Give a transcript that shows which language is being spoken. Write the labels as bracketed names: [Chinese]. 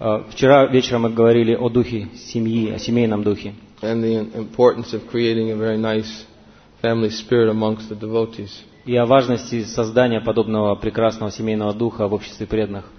[Russian] Вчера вечером мы говорили о духе семьи, о семейном духе. [English] And the importance of creating a very nice family spirit amongst the devotees. [Russian] И о важности создания подобного прекрасного семейного духа в обществе преданных.